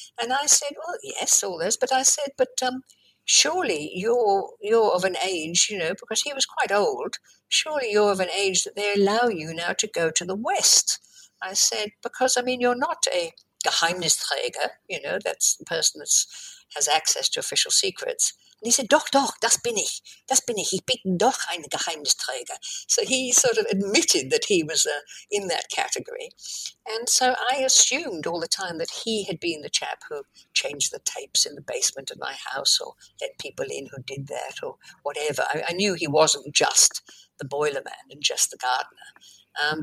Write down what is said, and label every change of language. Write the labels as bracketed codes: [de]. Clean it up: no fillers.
[en] And I said, well, yes, all those. But I said, surely you're of an age, you know, because he was quite old, surely you're of an age that they allow you now to go to the West. I said, because, I mean, you're not a Geheimnisträger, you know, that's the person that's has access to official secrets. And he said, [de] doch, das bin ich. Das bin ich. Ich bin doch ein Geheimnisträger. [en] So he sort of admitted that he was in that category. And so I assumed all the time that he had been the chap who changed the tapes in the basement of my house or let people in who did that or whatever. I knew he wasn't just the boiler man and just the gardener.